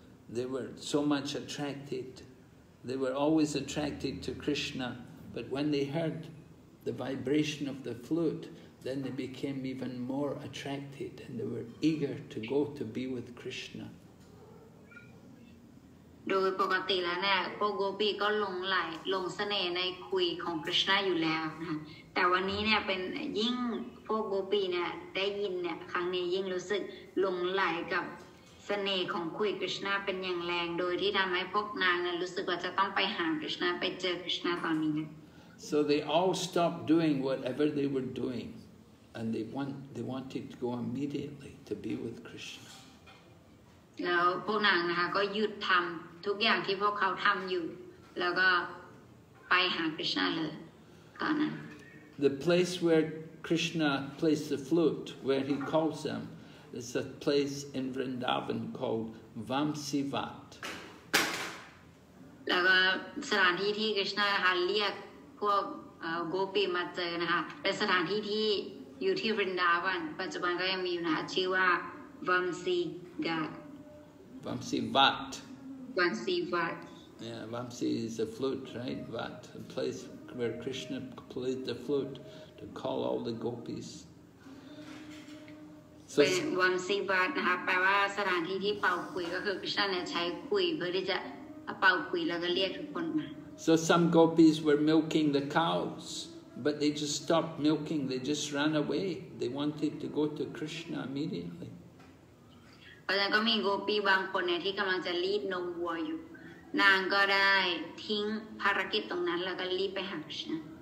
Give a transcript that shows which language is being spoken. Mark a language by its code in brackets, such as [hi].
[en] They were so much attracted. They were always attracted to Krishna. But when they heard the vibration of the flute, then they became even more attracted and they were eager to go to be with Krishna. [th] โดยปกติแล้วเนี่ยพวกโกปีก็หลงเสน่ห์ในคุยของ Krishna อยู่แล้วนะแต่วันนี้เนี่ยเป็นยิ่งพวกโกปีเนี่ยได้ยินเนี่ยครั้งนี้ยิ่งรู้สึกหลงไหลกับเสน่ห์ของคุยกฤษณาเป็นอย่างแรงโดยที่ทำให้พวกนางนั้นรู้สึกว่าจะต้องไปหากฤษณาไปเจอกฤษณาตอนนี้นะ [en] So they all stopped doing whatever they were doing and they wanted to go immediately to be with Krishna [th] แล้วพวกนางนะคะก็หยุดทำทุกอย่างที่พวกเขาทำอยู่แล้วก็ไปหากฤษณาเลยตอนนั้น [en] The place where Krishna plays the flute where he calls themIt's a place in Vrindavan called Vamsivat. [th] แล้วก็สถานที่ที่กฤษณะเรียกพวกโกปีมาเจอนะคะเป็นสถานที่ที่อยู่ที่ Vrindavan ปัจจุบันก็ยังมีอยู่นะคะชื่อว่า Vamsivat. [en] Vamsivat. Vamsivat. Yeah, Vamsi is a flute, right? Vat, a place where Krishna played the flute to call all the gopis. [th] เป็นวันซีบัตนะคะแปลว่าสถานที่ที่เป่าขุยก็คือกฤษณะใช้ขุยเพื่อที่จะเป่าขุยแล้วก็เรียกทุกคนมา [en] So some gopis were milking the cows, but they just stopped milking. They just ran away. They wanted to go to Krishna immediately. [th] แล้วก็มีโกปีบางคนเนี่ยที่กำลังจะรีดนมวัวอยู่นางก็ได้ทิ้งภารกิจตรงนั้นแล้วก็รีบไปหากฤษณะ